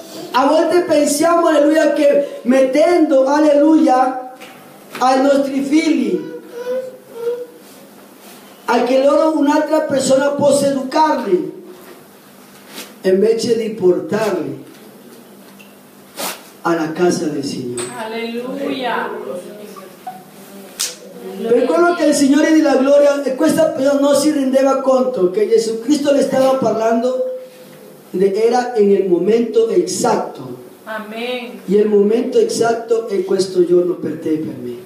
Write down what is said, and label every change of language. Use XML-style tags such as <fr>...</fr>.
<it>A volte pensiamo, aleluya, che mettendo, aleluya, ai nostri figli, a che loro un'altra persona possa educarli, invece di portarli</it> <es>a la casa del Signor. Aleluya.</es> <it>Per quello che</it> <es>el Señor y la gloria, esta persona no se rendeva conto que Jesucristo le estaba hablando de, era en el momento exacto. Amén. Y el momento exacto es</es> <it>questo giorno</it> <es>per te y per me.</es>